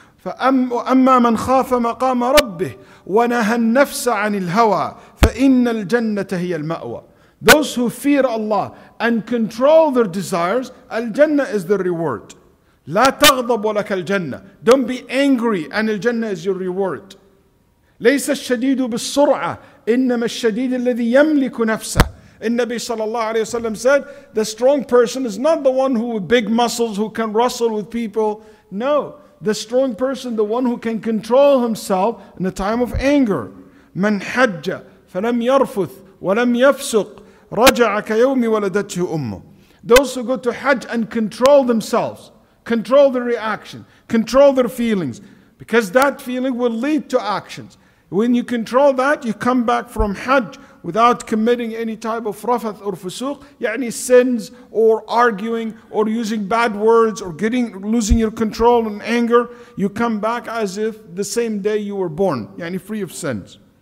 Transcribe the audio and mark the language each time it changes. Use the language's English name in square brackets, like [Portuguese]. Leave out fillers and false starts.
[Arabic] فَأَمَّا مَنْ خَافَ مَقَامَ رَبِّهِ وَنَهَى النَّفْسَ عَنِ الْهَوَىٰ فَإِنَّ الْجَنَّةَ هِيَ الْمَأْوَىٰ. [English] Those who fear Allah and control their desires, al-jannah is the reward. [Arabic] لا تغضب ولك الجنة. [English] Don't be angry, and al-jannah is your reward. [Arabic] ليس الشديد بالسرعة إنما الشديد الذي يملك نفسه. [English] And Nabi sallallahu alayhi wa sallam said, the strong person is not the one who with big muscles who can wrestle with people. No, the strong person, the one who can control himself in a time of anger. [Arabic] من حج فلم يرفث ولم يفسق رجع كيوم ولدته أمه. [English] Those who go to Hajj and control themselves, control their reaction, control their feelings, because that feeling will lead to actions. When you control that, you come back from Hajj without committing any type of rafath or fusuq, yani sins or arguing or using bad words or losing your control and anger, you come back as if the same day you were born, yani free of sins.